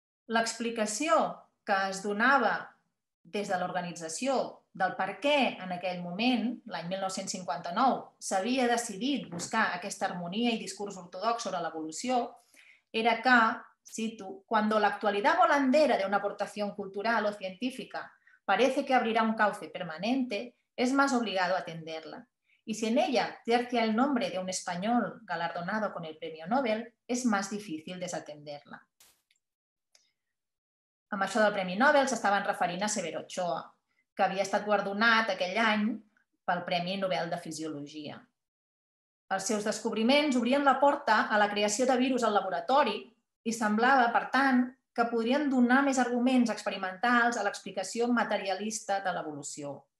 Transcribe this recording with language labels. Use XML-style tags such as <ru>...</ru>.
<ca>L'explicació que es donava des de l'organització del per què en aquell moment, l'any 1959, s'havia decidit buscar aquesta harmonia i discurs ortodox sobre l'evolució, era que, cito,</ca> <es>cuando la actualidad volandera de una aportación cultural o científica parece que abrirá un cauce permanente, es más obligado atenderla. Y si en ella tercia el nombre de un español galardonado con el premio Nobel, es más difícil desatenderla.</es> <ca>Amb això del Premi Nobel s'estaven referint a Severo Ochoa, que havia estat guardonat aquell any pel Premi Nobel de Fisiologia. Els seus descobriments obrien la porta a la creació de virus al laboratori i semblava, per tant, que podrien donar més arguments experimentals a l'explicació materialista de l'evolució.</ca>